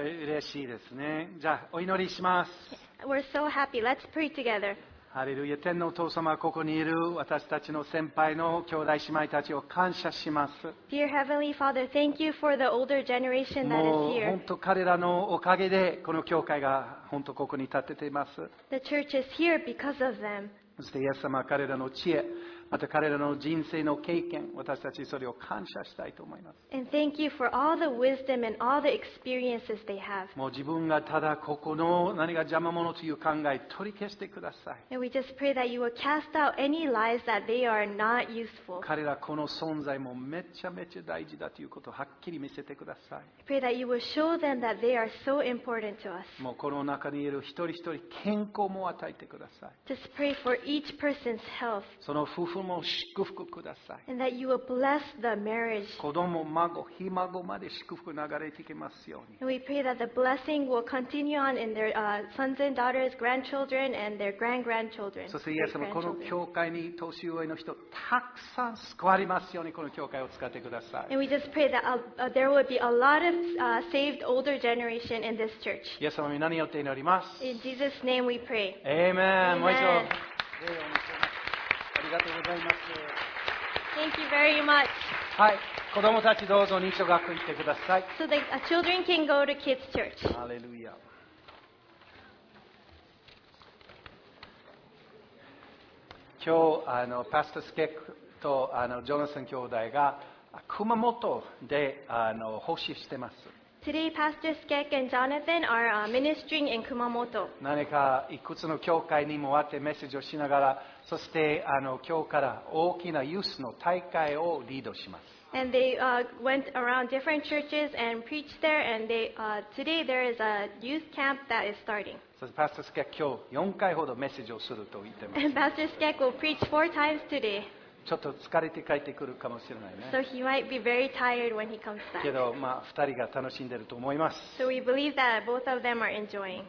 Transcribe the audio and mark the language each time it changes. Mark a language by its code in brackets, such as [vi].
[ja] 嬉しいですね。じゃあお祈りします。 [en] We're so happy. Let's pray together. [ja] ハレルヤ、天のお父様、ここにいる私たちの先輩の兄弟姉妹たちを感謝します。 [en] Dear Heavenly Father, thank you for the older generation that is here. [ja] もう本当彼らのおかげでこの教会が本当ここに立てています。 [en] The church is here because of them. [ja] そしてイエス様、彼らの知恵、また彼らの人生の経験、私たちそれを感謝したいと思います。 [en] And thank you for all the wisdom and all the experiences they have. [ja] もう自分がただここの何が邪魔者という考え取り消してください。 [en] And we just pray that you will cast out any lies that they are not useful. [ja] 彼らこの存在もめちゃめちゃ大事だということをはっきり見せてください。 [en] Pray that you will show them that they are so important to us. [ja] もうこの中にいる一人一人健康も与えてください。 [en] Just pray for each person's health. [ja] その夫婦も祝福ください。 [en] And that you will bless the marriage. [ja] 子供、孫、ひ孫まで祝福流れていきますように。 [en] And we pray that the blessing will continue on in their sons and daughters, grandchildren, and their grand-grandchildren. [ja] そしてイエス様、この教会に年上の人たくさん救われますように、この教会を使ってください。 [en] And we just pray that there will be a lot of saved older generation in this church. [ja] イエス様、皆によって祈ります。 [en] In Jesus' name we pray. Amen. [ja] もう一度。ありがとうございます。 [en] Thank you very much. [ja] はい、子供たちどうぞ認証学校に来てください。 [en] So the children can go to kids church. [ja] ハレルヤ。今日パスタスケックとジョナサン兄弟が熊本で奉仕してます。 [en] Today, Pastor Skek and Jonathan are ministering in Kumamoto. [ja] 何かいくつの教会にも会ってメッセージをしながら、そして今日から大きなユースの大会をリードします。 [en] And they went around different churches and preached there. And they, today there is a youth camp that is starting. [ja] そしてPastor Skek今日4回ほどメッセージをすると言ってます。 [en] And Pastor Skek will preach 4 times today. [ja] ちょっと疲れて帰ってくるかもしれないね。 [en] So he might be very tired when he comes back. [ja] けど、まあ、2人が楽しんでると思います。 [en] So we believe that both of them are enjoying.